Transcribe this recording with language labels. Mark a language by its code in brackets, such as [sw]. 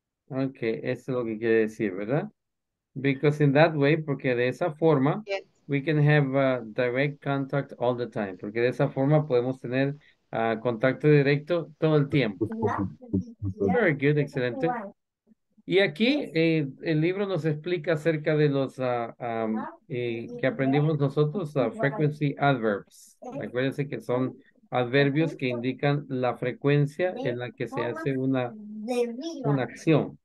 [es] Okay, eso es lo que quiere decir, ¿verdad? [en] Because in that way, [es] porque de esa forma, [en] yes, we can have direct contact all the time. [es] Porque de esa forma podemos tener contacto directo todo el tiempo. [en] Yeah. Very good, [es] excelente. Y aquí el libro nos explica acerca de los que aprendimos nosotros, [en] frequency adverbs. [es] Acuérdense que son adverbios que indican la frecuencia en la que se hace una acción.